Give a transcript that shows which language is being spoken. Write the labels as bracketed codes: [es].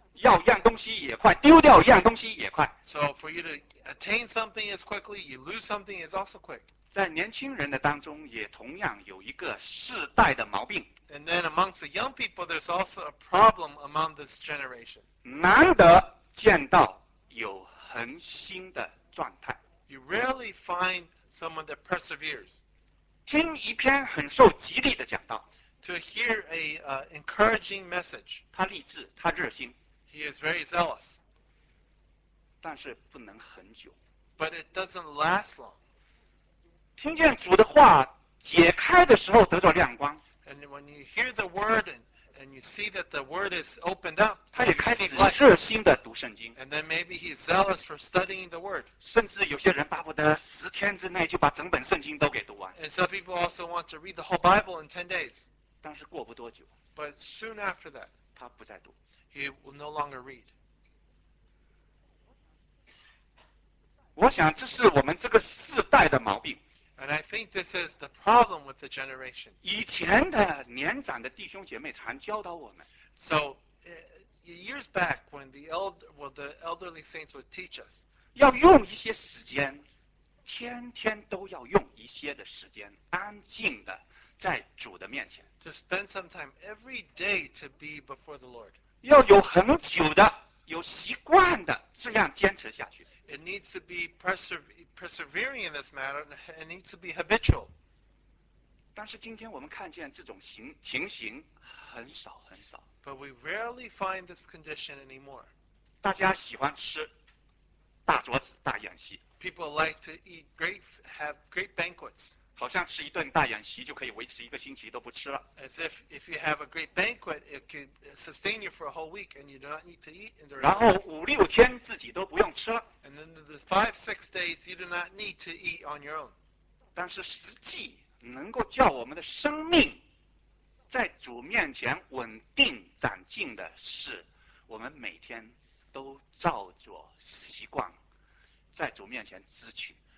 [zh] 要样东西也快，丢掉样东西也快。 [en] So for you to attain something as quickly, you lose something is also quick. [zh] 在年轻人的当中也同样有一个世代的毛病。 [en] And then amongst the young people, there's also a problem among this generation. [zh] 难得见到有恒心的状态。 [en] You rarely find someone that perseveres. [zh] 听一篇很受激励的讲道。 [en] To hear a encouraging message. [zh] 他立志，他热心。 [en] He is very zealous. [zh] 但是不能很久。 [en] But it doesn't last long. [zh] 听见主的话解开的时候得到亮光。 [en] And when you hear the word and you see that the word is opened up, [zh] 他也开始热心的读圣经。 [en] And then maybe he's zealous for studying the word. [zh] 甚至有些人巴不得十天之内就把整本圣经都给读完。 [en] And some people also want to read the whole Bible in 10 days. [zh] 但是过不多久。 [en] But soon after that, [zh] 他不再读。 [en] He will no longer read. [zh] 我想这是我们这个世代的毛病。 [en] And I think this is the problem with the generation. [zh] 以前的年长的弟兄姐妹常教导我们。 [en] So, years back, when the elderly saints would teach us, [zh] 要用一些时间，天天都要用一些的时间，安静的在主的面前。 [en] To spend some time every day to be before the Lord. [zh] 要有很久的，有习惯的，这样坚持下去。 [en] It needs to be persevering in this matter, and it needs to be habitual. [zh] 但是今天我们看见这种情形很少很少。 [en] But we rarely find this condition anymore. [zh] 大家喜欢吃大桌子大宴席。 [en] People like to eat great, have great banquets. [zh] 好像吃一顿大宴席就可以维持一个星期都不吃了。 [en] As if you have a great banquet, it could sustain you for a whole week, and you do not need to eat. [zh] 然后五六天自己都不用吃了。 [en] And then the 5-6 days, you do not need to eat on your own. [zh] 但是实际能够叫我们的生命在主面前稳定长进的是，我们每天都照着习惯在主面前支取。